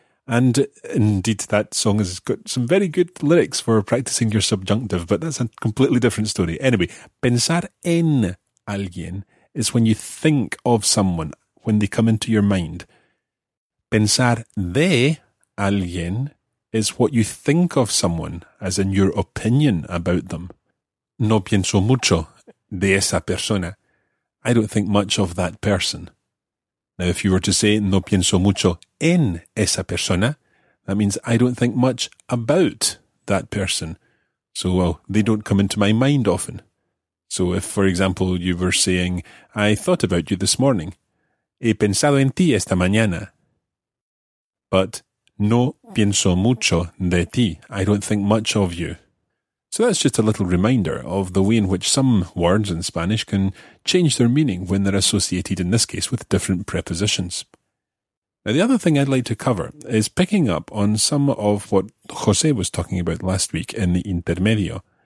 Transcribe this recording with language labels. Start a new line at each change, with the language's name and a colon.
English: And indeed, that song has got some very good lyrics for practicing your subjunctive, but that's a completely different story. Anyway,
Spanish: pensar en alguien
English: is when you think of someone, when they come into your mind.
Spanish: Pensar de alguien
English: is what you think of someone, as in your opinion about them.
Spanish: No pienso mucho de esa persona.
English: I don't think much of that person. Now, if you were to say,
Spanish: no pienso mucho en esa persona,
English: that means I don't think much about that person. So, well, they don't come into my mind often. So if, for example, you were saying, I thought about you this morning.
Spanish: He pensado en ti esta mañana. But no pienso mucho de ti.
English: I don't think much of you. So that's just a little reminder of the way in which some words in Spanish can change their meaning when they're associated, in this case, with different prepositions. Now, the other thing I'd like to cover is picking up on some of what José was talking about last week in the intermedio.